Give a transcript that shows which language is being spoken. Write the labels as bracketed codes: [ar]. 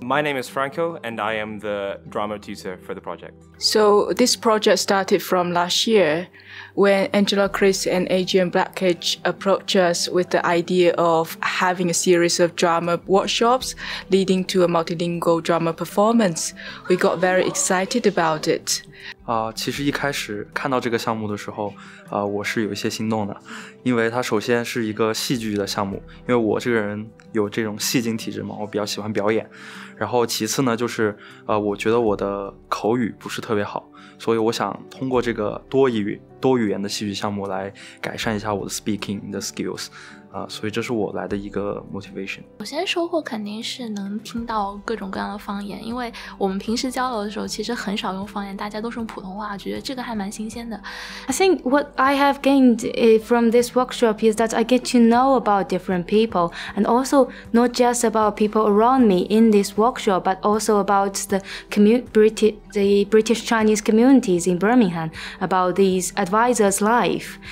[en] My name is Franco and I am the drama tutor for the project. So this project started from last year when Angela, Creese and Adrian Blackage approached us with the idea of having a series of drama workshops leading to a multilingual drama performance. We got very excited about it. [zh] 其实一开始看到这个项目的时候，我是有一些心动的，因为它首先是一个戏剧的项目，因为我这个人有这种戏精体质嘛，我比较喜欢表演。然后其次呢，就是我觉得我的口语不是特别好，所以我想通过这个多语言的戏剧项目来改善一下我的 speaking 的 skills。所以这是我来的一个 motivation。首先收获肯定是能听到各种各样的方言，因为我们平时交流的时候其实很少用方言，大家都是用普通话，觉得这个还蛮新鲜的。 [en] I think what I have gained from this workshop is that I get to know about different people and also not just about people around me in this workshop but also about the British Chinese communities in Birmingham, about these advisors' life.